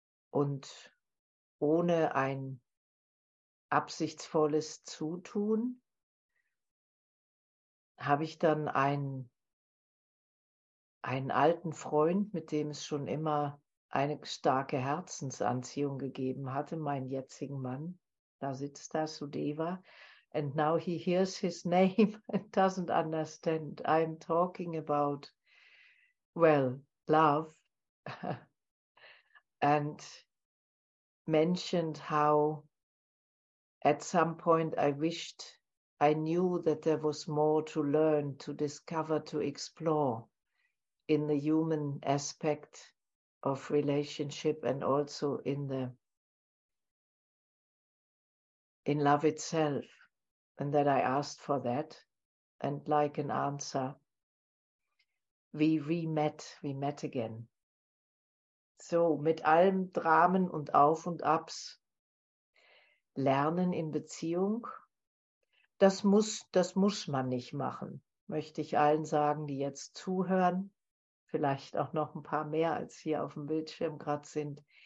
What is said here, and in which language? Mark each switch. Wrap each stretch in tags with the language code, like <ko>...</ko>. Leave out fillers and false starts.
<de>Und ohne ein absichtsvolles Zutun habe ich dann einen alten Freund, mit dem es schon immer eine starke Herzensanziehung gegeben hatte, meinen jetzigen Mann. Da sitzt er, Sudeva.</de> <en>And now he hears his name and doesn't understand. I'm talking about, well, love. And mentioned how at some point I wished I knew that there was more to learn, to discover, to explore in the human aspect of relationship and also in love itself. And that I asked for that, and like an answer, we met again.</en> <de>So, mit allem Dramen und Auf und Abs lernen in Beziehung, das muss man nicht machen, möchte ich allen sagen, die jetzt zuhören, vielleicht auch noch ein paar mehr als hier auf dem Bildschirm gerade sind.</de>